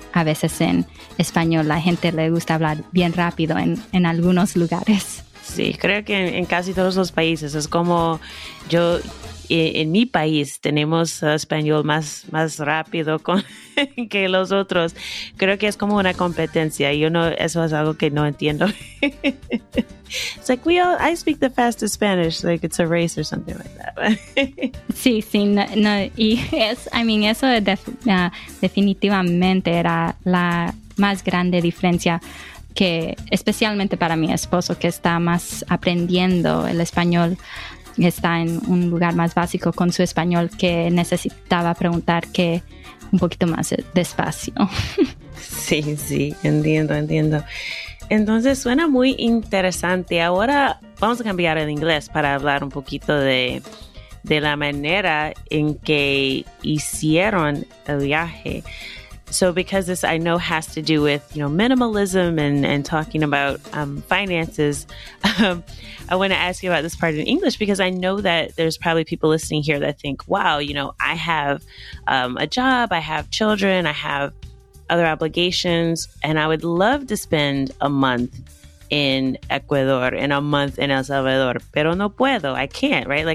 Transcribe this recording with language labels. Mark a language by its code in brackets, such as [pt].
[es] A veces en español la gente le gusta hablar bien rápido en algunos lugares. Sí, creo que en casi todos los países es como yo... En mi país tenemos español más rápido que los otros. Creo que es como una competencia. Eso es algo que no entiendo. [en] It's like I speak the fastest Spanish, like it's a race or something like that. [es] Sí, sí, no, y es, [en] I mean, [es] eso definitivamente era la más grande diferencia. Que especialmente para mi esposo, que está más aprendiendo el español, está en un lugar más básico con su español, que necesitaba preguntar que un poquito más despacio. Sí, sí, entiendo. Entonces suena muy interesante. Ahora vamos a cambiar el inglés para hablar un poquito de la manera en que hicieron el viaje. [en] So because this, I know, has to do with, you know, minimalism and talking about finances, I want to ask you about this part in English, because I know that there's probably people listening here that think, wow, you know, I have a job, I have children, I have other obligations, and I would love to spend a month in Ecuador and a month in El Salvador, [es] pero no puedo, [en] I can't, right?